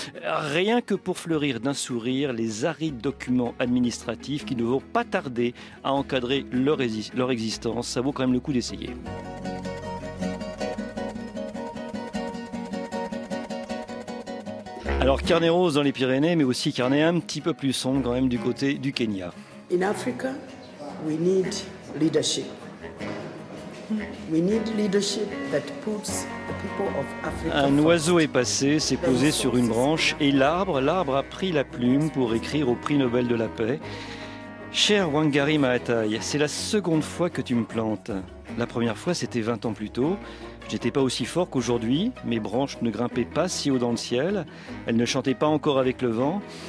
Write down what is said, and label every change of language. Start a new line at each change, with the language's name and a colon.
French: Rien que pour fleurir d'un sourire les arides documents administratifs qui ne vont pas tarder à encadrer leur existence. Ça vaut quand même le coup d'essayer. Alors, carnet rose dans les Pyrénées, mais aussi carnet un petit peu plus sombre quand même du côté du Kenya.
English: In Africa, we need leadership. We need leadership that puts the people of Africa.
French: Un oiseau est passé, s'est posé sur une branche et l'arbre a pris la plume pour écrire au prix Nobel de la paix. Cher Wangari Maathai, c'est la seconde fois que tu me plantes. La première fois, c'était 20 ans plus tôt. J'étais pas aussi fort qu'aujourd'hui. Mes branches ne grimpaient pas si haut dans le ciel. Elles ne chantaient pas encore avec le vent.